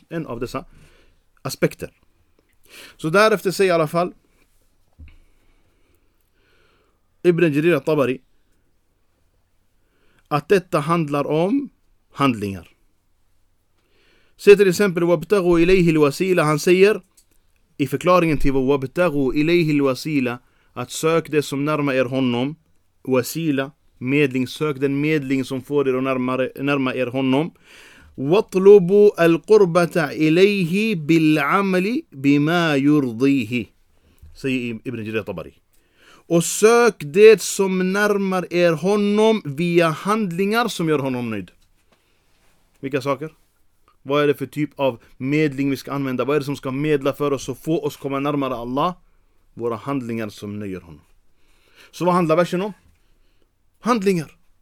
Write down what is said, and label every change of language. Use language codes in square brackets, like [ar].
[sv] En av dessa aspekter. Så därefter säger i alla fall Ibn Jarir al-Tabari att detta handlar om handlingar. Se till exempel [ar] wabtaghu ilayhi alwasila, [sv] han säger i förklaringen till wabtaghu ilayhi alwasila, att sök det som närmar er honom, wasila, medling, sök den medling som får er närma er honom. [ar] وَطْلُبُوا الْقُرْبَةَ إِلَيْهِ بِالْعَمَلِ بِمَا يُرْضِيهِ, [sv] säger Ibn Jarir al-Tabari. Och sök det som närmar er honom via handlingar som gör honom nöjd. Vilka saker? Vad är det för typ av medling vi ska använda? Vad är det som ska medla för oss och få oss komma närmare Allah? Våra handlingar som nöjer honom. Så vad handlar versen om? Handlingar.